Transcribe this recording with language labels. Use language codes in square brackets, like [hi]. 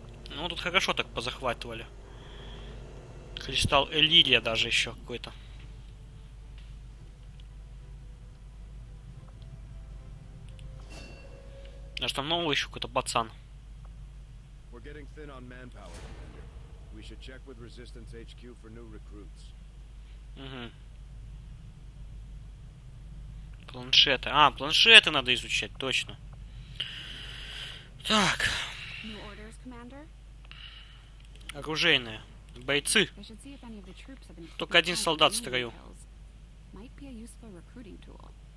[ru] Ну, тут хорошо так позахватывали. Кристалл Элилия даже еще какой-то. Даже там новый еще какой-то пацан. [en] We're getting thin on manpower, Commander. We should check with Resistance HQ for new recruits. [ru] Планшеты. А, планшеты надо изучать, точно. Так. New orders, Commander? Оружейные. Бойцы. Только один солдат в строю. [en] Might be a useful recruiting tool.